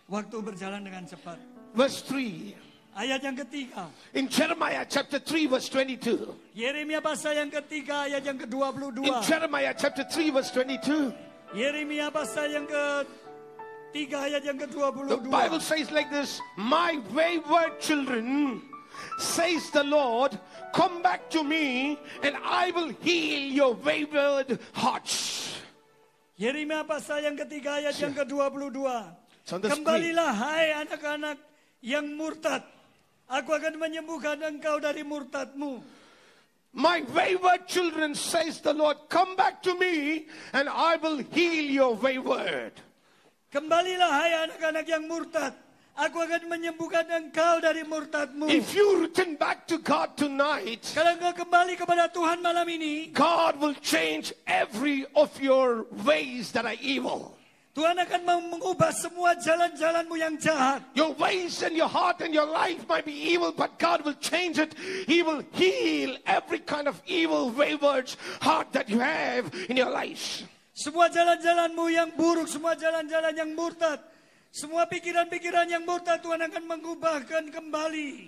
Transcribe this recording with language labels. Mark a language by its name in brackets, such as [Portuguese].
[Indonesian] Waktu berjalan dengan cepat. [English] Verse 3. [Indonesian] Ayat yang ketiga. [English] In Jeremiah chapter 3 verse 22. [Indonesian] Yeremia pasal yang ketiga ayat yang ke-22. [English] In Jeremiah chapter 3 verse 22. [Indonesian] Yeremia pasal yang ketiga ayat yang ke-22. [English] The Bible says like this, "My wayward children, says the Lord, come back to me and I will heal your wayward hearts." [Indonesian] Yeremia pasal yang ketiga ayat yang ke-22. Kembalilah hai anak-anak yang murtad. Aku akan menyembuhkan engkau dari murtadmu. [English] My wayward children, says the Lord, come back to me and I will heal your wayward. [Indonesian] Kembalilah hai anak-anak yang murtad. Aku akan menyembuhkan engkau dari murtadmu. [English] If you return back to God tonight, [Indonesian] kalau engkau kembali kepada Tuhan malam ini, [English] God will change every of your ways that are evil. [Indonesian] Tuhan akan mengubah semua jalan-jalanmu yang jahat. [English] Your ways and your heart and your life might be evil, but God will change it. He will heal every kind of evil, wayward heart that you have in your life. [Indonesian] Semua jalan-jalanmu yang buruk, semua jalan-jalan yang murtad, semua pikiran-pikiran yang murtad Tuhan akan mengubahkan kembali.